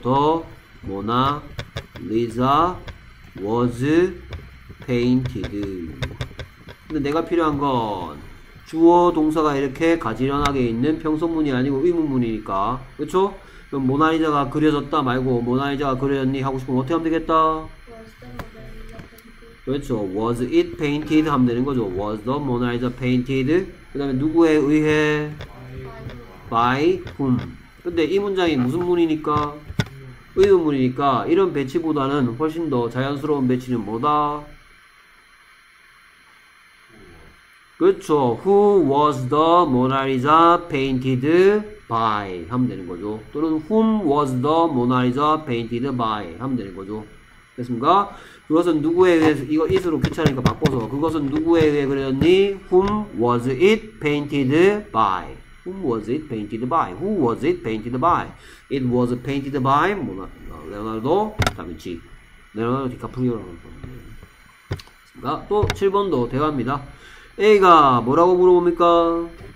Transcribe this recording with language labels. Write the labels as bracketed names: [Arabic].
[English] The Mona Lisa was painted. [Korean] 근데 내가 필요한 건 주어 동사가 이렇게 가지런하게 있는 평소문이 아니고 의문문이니까. 그쵸? 그럼 모나리자가 그려졌다 말고 모나리자가 그려졌니 하고 싶으면 어떻게 하면 되겠다? [English] Was the Mona Lisa painted? [Korean] 그렇죠. [English] Was it painted [Korean] 하면 되는 거죠. [English] Was the Mona Lisa painted? [Korean] 그 다음에 누구에 의해? [English] By whom? [Korean] 근데 이 문장이 무슨 문이니까? 의문문이니까 이런 배치보다는 훨씬 더 자연스러운 배치는 뭐다? 그렇죠. [English] Who was the Mona Lisa painted by [Korean] 하면 되는 거죠. [English] 또는 whom was the Mona Lisa painted by [Korean] 하면 되는 거죠. 됐습니까? 그것은 누구에 의해 이거 it으로 귀찮으니까 바꿔서 그것은 누구에 의해 그렸니? [English] Whom was it painted by? Whom was it painted by? Who was it painted by? It was painted by Leonardo da Vinci. [Korean] Leonardo DiCaprio라고 됐습니까? 또 7번도 대화입니다. A가 뭐라고 물어봅니까?